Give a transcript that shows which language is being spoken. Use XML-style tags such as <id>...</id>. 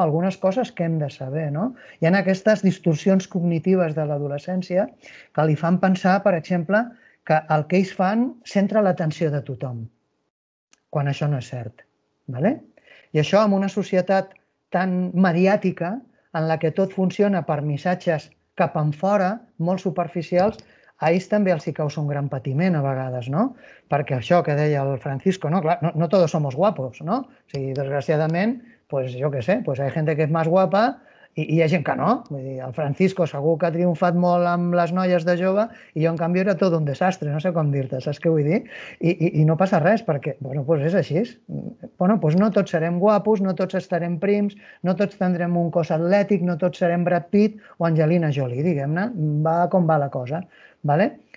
<ca>Algunes coses que hem de saber, no? Hi ha aquestes distorsions cognitives de l'adolescència que li fan pensar, per exemple, que el que ells fan centra l'atenció de tothom, quan això no és cert, vale? I això, en una societat tan mediàtica, en la que tot funciona per missatges cap enfora, molt superficials, a ells també els hi causa un gran patiment a vegades, no? Perquè això que deia el Francisco, no?</ca> <es>Clar, no todos somos guapos, no?</es> <ca>O sigui, desgraciadament, pues jo què sé, pues</ca> <es>hay gente que es más guapa</es> <ca>i hi ha gent que no. Vull dir, el Francisco segur que ha triomfat molt amb les noies de jove i jo, en canvi, era tot un desastre, no sé com dir-te, saps què vull dir? I no passa res perquè, bueno, pues és així. Bueno, pues no tots serem guapos, no tots estarem prims, no tots tindrem un cos atlètic, no tots serem Brad Pitt o Angelina Jolie, diguem-ne. Va com va la cosa. Vale?</ca>